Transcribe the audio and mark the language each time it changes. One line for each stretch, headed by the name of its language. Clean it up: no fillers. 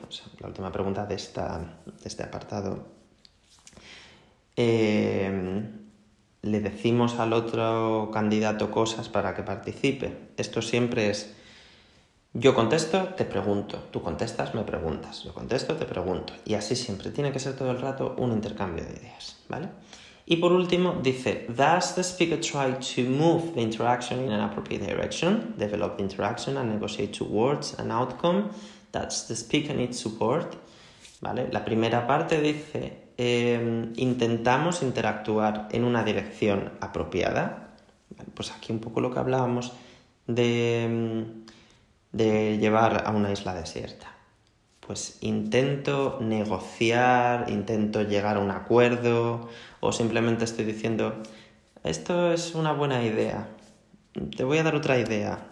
Spanish: O sea, la última pregunta de este apartado. ¿Le decimos al otro candidato cosas para que participe? Esto siempre es, yo contesto, te pregunto. Tú contestas, me preguntas. Yo contesto, te pregunto. Y así siempre. Tiene que ser todo el rato un intercambio de ideas, ¿vale? Y por último, dice,
English: Does the speaker try to move the interaction in an appropriate direction, develop the interaction and negotiate towards an outcome that the speaker needs support?
Spanish: ¿Vale? La primera parte dice, intentamos interactuar en una dirección apropiada. Pues aquí un poco lo que hablábamos de llevar a una isla desierta. Pues intento negociar, intento llegar a un acuerdo, o simplemente estoy diciendo, esto es una buena idea, te voy a dar otra idea.